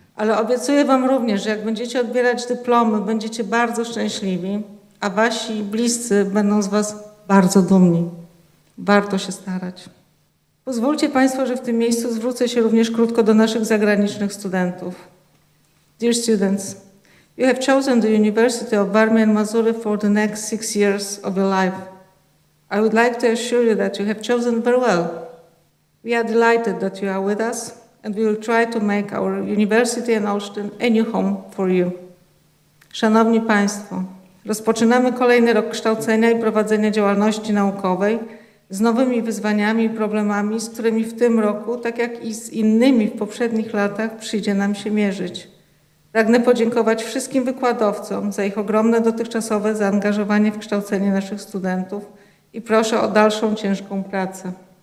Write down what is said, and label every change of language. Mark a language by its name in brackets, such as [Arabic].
[Polish] Ale obiecuję wam również, że jak będziecie odbierać dyplomy, będziecie bardzo szczęśliwi, a wasi bliscy będą z was bardzo dumni. Warto się starać. Pozwólcie państwo, że w tym miejscu zwrócę się również krótko do naszych zagranicznych studentów. [English] Dear students, you have chosen the University of Warmia and Mazury for the next 6 years of your life. I would like to assure you that you have chosen very well. We are delighted that you are with us, and we will try to make our university in Olsztyn a new home for you. [Polish] Szanowni państwo, rozpoczynamy kolejny rok kształcenia i prowadzenia działalności naukowej z nowymi wyzwaniami i problemami, z którymi w tym roku, tak jak i z innymi w poprzednich latach, przyjdzie nam się mierzyć. Pragnę podziękować wszystkim wykładowcom za ich ogromne dotychczasowe zaangażowanie w kształcenie naszych studentów i proszę o dalszą ciężką pracę.